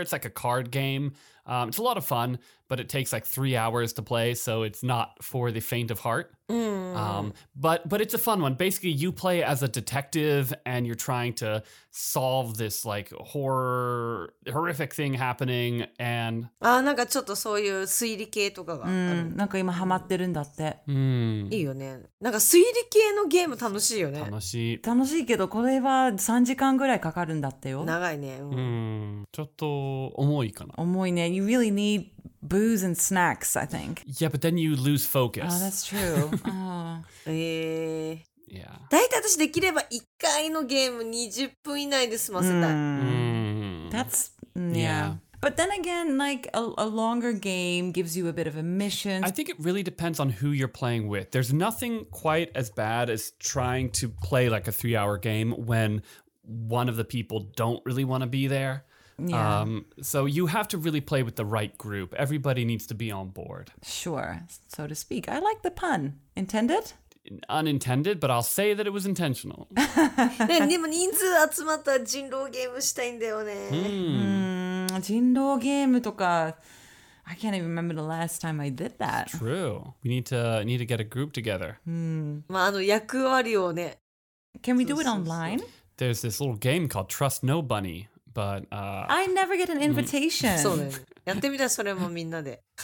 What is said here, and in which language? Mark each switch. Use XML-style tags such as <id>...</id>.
<en>It's like a card game. It's a lot of fun, but it takes like 3 hours to play, so it's not for the faint of heart. But it's a fun one. Basically, you play as a detective and you're trying to solve this like horrific thing happening. And</en> <ja>なんかちょっとそういう推理系とかが、なんか今ハマってるんだって。いいよね。なんか推理系のゲーム楽しいよね。楽しい。楽しいけどこれは3時間ぐらいかかるんだってよ。長いね。うん。ちょっと重いかな。重いね。</ja> <en>You really need booze and snacks, I think. Yeah, but then you lose focus. Oh, that's true. Yeah.</en> <ja>だいたい私できれば1回のゲーム20分以内で済ませたい。</ja> <en>That's, But then again, like a longer game gives you a bit of a mission. I think it really depends on who you're playing with. There's nothing quite as bad as trying to play like a 3-hour game when one of the people don't really want to be there. Yeah. So you have to really play with the right group. Everybody needs to be on board. Sure, so to speak. I like the pun. Intended? Unintended, but I'll say that it was intentional.</en> <ja>でも人数集まったら人狼ゲームしたいんだよね。人狼ゲームとか、</ja> <en>I can't even remember the last time I did that. It's true. We need to get a group together.</en> <ja>まああの役割をね。</ja> <en>Can we do it online? There's this little game called Trust No Bunny, but I never get an invitation.</en> <ja>そうね。やってみたそれもみんなで。</ja>